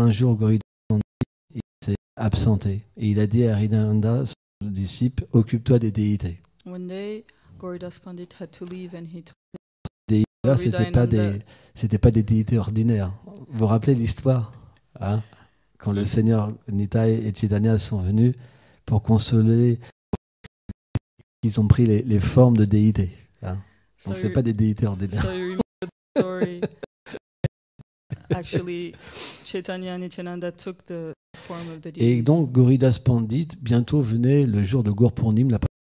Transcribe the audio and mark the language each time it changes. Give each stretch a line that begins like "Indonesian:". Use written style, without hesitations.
French: Un jour, Gauridas Pandit s'est absenté et il a dit à Ridanda, son disciple, occupe-toi des déités.
English: One day, Gauridas Pandit had to leave and he told.
French: Là, c'était pas des déités ordinaires. Vous vous rappelez l'histoire, hein, quand le Seigneur Nitai et Chaitanya sont venus pour consoler, ils ont pris les formes de déités. Hein. Donc c'est pas des déités ordinaires.
English: So actually, Chaitanya and Nityananda took the form of the deities.
French: Et donc Gauridas Pandit bientôt venait le jour de Gaur Purnim.